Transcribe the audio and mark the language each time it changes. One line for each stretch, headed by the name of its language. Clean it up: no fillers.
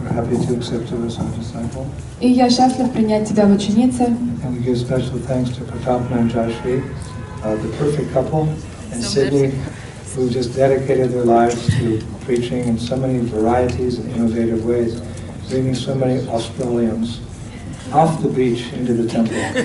English: We're happy to accept you as our disciple.
Russian: И я счастлив принять тебя в ученицы.
English: And we give special thanks to Pratapna and Jashvi, the perfect couple, and Sydney, who just dedicated their lives to preaching in so many varieties and innovative ways, bringing so many Australians off the beach into the temple.